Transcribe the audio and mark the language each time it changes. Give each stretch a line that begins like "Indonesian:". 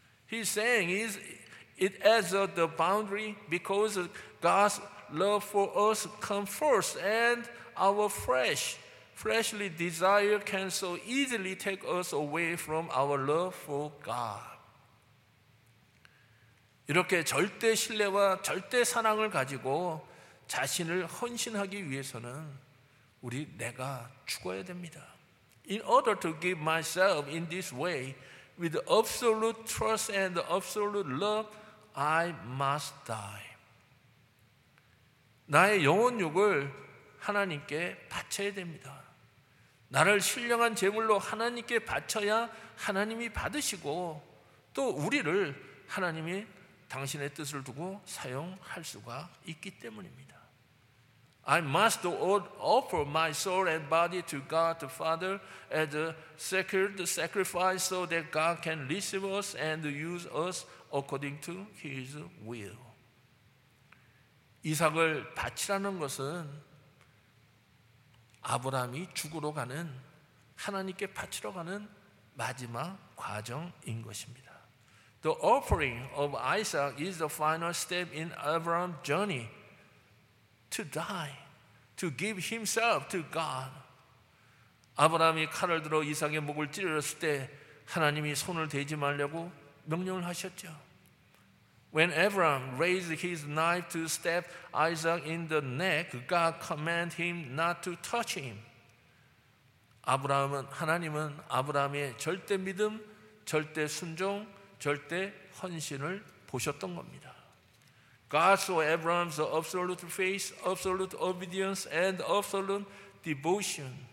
English: He's saying it as the boundary because God's love for us comes first and our freshly desire can so easily take us away from our love for God.
Korean: 이렇게 절대 신뢰와 절대 사랑을 가지고 자신을 헌신하기 위해서는 우리 내가 죽어야 됩니다.
English: In order to give myself in this way with absolute trust and absolute love, I must die.
Korean: 나의 영혼육을 하나님께 바쳐야 됩니다. 나를 신령한 제물로 하나님께 바쳐야 하나님이 받으시고 또 우리를 하나님이 당신의 뜻을 두고 사용할 수가 있기 때문입니다.
English: I must offer my soul and body to God the Father as a sacred sacrifice so that God can receive us and use us according to His will.
Korean: 이삭을 바치라는 것은 아브라함이 죽으러 가는 하나님께 바치러 가는 마지막 과정인 것입니다.
English: The offering of Isaac is the final step in Abraham's journey to die, to give himself to God.
Korean: 아브라함이 칼을 들어 이삭의 목을 찌르렀을 때 하나님이 손을 대지 말라고 명령을 하셨죠.
English: When Abraham raised his knife to stab Isaac in the neck, God commanded him not to touch him.
Korean: 하나님은 아브라함의 절대 믿음, 절대 순종, 절대 헌신을 보셨던 겁니다.
English: God saw Abraham's absolute faith, absolute obedience, and absolute devotion.